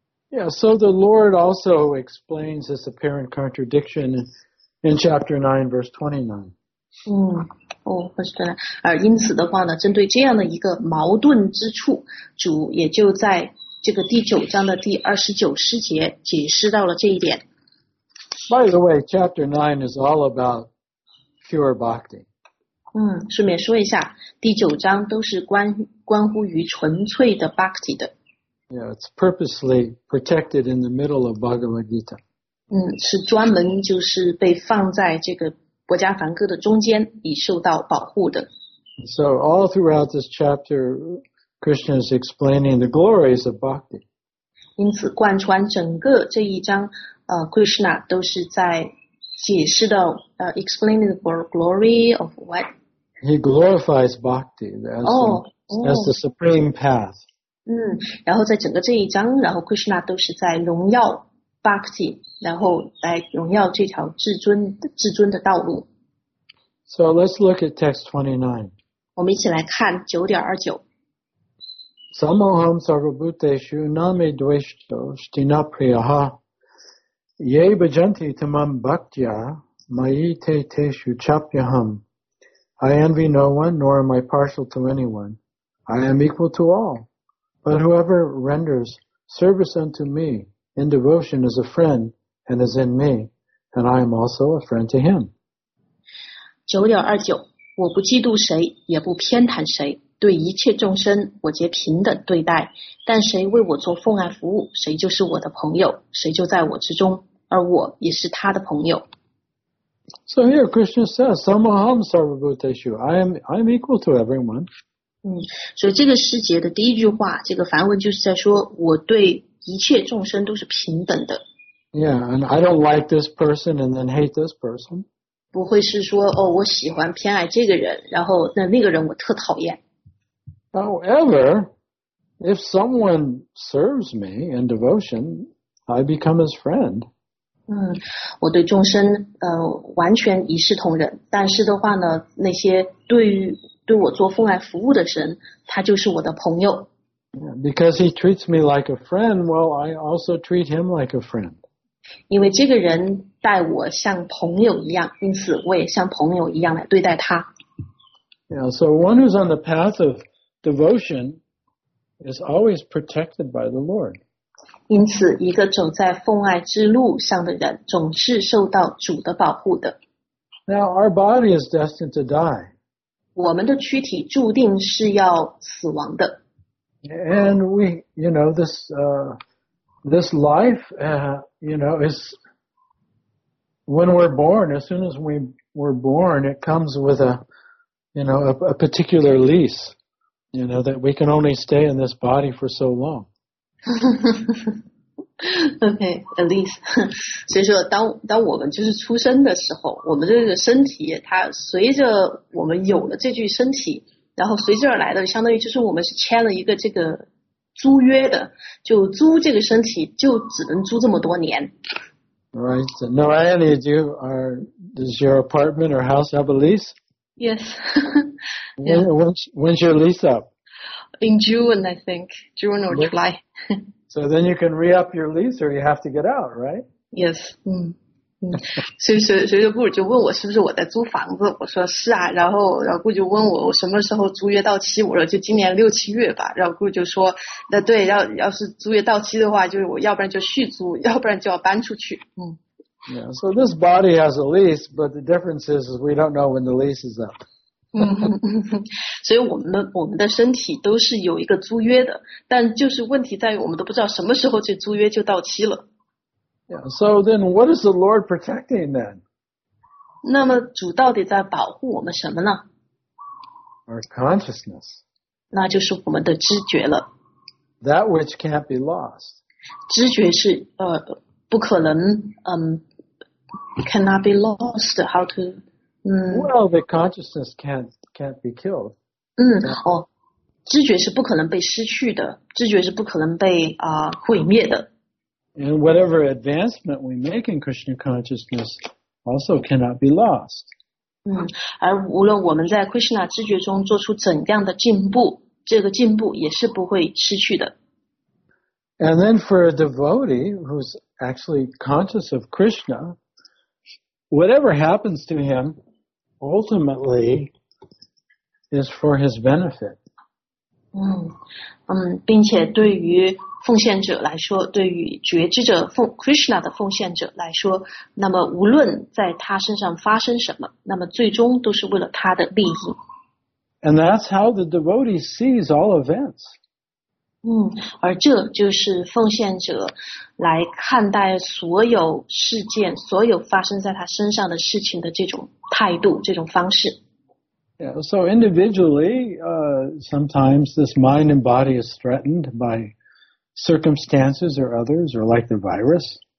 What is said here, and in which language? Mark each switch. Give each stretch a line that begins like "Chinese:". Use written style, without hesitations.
English: Yeah, so the Lord also explains this apparent contradiction in chapter 9, verse 29.
Chinese: 因此的话呢，针对这样的一个矛盾之处，主也就在这个第九章的第29诗节解释到了这一点。
English: By the way, chapter 9 is all about pure bhakti.
Chinese: 顺便说一下，第九章都是关乎于纯粹的 bhakti 的。
English: Yeah, it's purposely protected in the middle of Bhagavad Gita.
Chinese: 是专门就是被放在这个博迦梵歌的中间，以受到保护的。
English: So all throughout this chapter, Krishna is explaining the glories of bhakti.
Chinese: 因此，贯穿整个这一章，Krishna 都是在解释到
English: explaining the glory of what? He glorifies bhakti as the supreme path.
Chinese: 然后在整个这一章，然后 Krishna 都是在荣耀 Bhakti， 然后来荣耀这条至尊的道路。
English: So let's look at text 29.
Chinese: 我们一起来看9.29。
Sanskrit: Samoham sarvabhuteshu nami dvesto stinapriyaha ye bhajanti tamam bhaktya mayi te teshu chapyaham.
English: I envy no one, nor am I partial to anyone. I am equal to all. But whoever renders service unto me in devotion is a friend and is in me, and I am also a friend to him.
Chinese: 9.29, 我不嫉妒谁，也不偏袒谁，对一切众生我皆平等对待，但谁为我做奉爱服务，谁就是我的朋友，谁就在我之中，而我也是他的朋友。
English: So here Krishna says,
Sanskrit: Samaham Sarvabhuteshu,
English: I am equal to everyone.
Chinese: 所以这个诗节的第一句话，这个梵文就是在说，我对一切众生都是平等的。
English: Yeah, and I don't like this person and then hate this person.
Chinese: 不会是说，我喜欢偏爱这个人，然后那个人我特讨厌。
English: However, if someone serves me in devotion, I become his friend.
Chinese: 我对众生完全一视同仁，但是的话呢，那些对我做奉爱服务的神，他就是我的朋友。
English: Because he treats me like a friend, well, I also treat him like a friend.
Chinese: 因为这个人待我像朋友一样，因此我也像朋友一样来对待他。
English: Yeah, so one who's on the path of devotion is always protected by the Lord.
Chinese: 因此，一个走在奉爱之路上的人，总是受到主的保护的。
English: Now, our body is destined to die. 我们的躯体注定是要死亡的。 And we, you know, this life, you know, is when we're born. As soon as we were born, it comes with a particular lease, you know, that we can only stay in this body for so long. Okay, at least.
Chinese: 所以说当我们就是出生的时候，我们这个身体它随着我们有了这具身体，然后随之而来的相当于就是我们是签了一个这个租约的，就租这个身体就只能租这么多年。
English: Right. So, Narayani, does your apartment or house have a lease? Yes. When's your lease up? In June, I think. June or July. So then you can re-up your lease or you have to get out, right? Yes.
Chinese: 所以顾就问我是不是我在租房子，我说是啊，然后顾就问我什么时候租约到期，我说就今年六七月吧，然后顾就说那对，要是租约到期的话，就是我要不然就续租，要不然就要搬出去。
English: Yeah, so this body has a lease, but the difference is we don't know when the lease is up.
Chinese: 所以我们的身体都是有一个租约的，但就是问题在于我们都不知道什么时候这租约就到期了。
English: Yeah, so then what is the Lord protecting then?
Chinese: 那么主到底在保护我们什么呢？
English: Our consciousness.
Chinese: 那就是我们的知觉了。
English: That which can't be lost.
Chinese: 知觉是不可能
English: cannot be lost. How to... Well, the consciousness can't be killed.
Chinese: 好，知觉是不可能被失去的，知觉是不可能被毁灭的。
English: And whatever advancement we make in Krishna consciousness also cannot be lost.
Chinese: 而无论我们在 Krishna 知觉中做出怎样的进步，这个进步也是不会失去的。
English: And then for a devotee who's actually conscious of Krishna,Whatever happens to him, ultimately, is for his benefit.
Chinese: 并且对于奉献者来说，对于觉知者Krishna的奉献者来说，那么无论在他身上发生什么，那么最终都是为了他的利益。
English: And that's how the devotee sees all events.
Chinese: 而这就是奉献者。来看待所有事件，所有发生在他身上的事情的这种态度，这种方式。
English: Yeah, so individually, sometimes this mind and body is threatened by circumstances or others, or like the virus.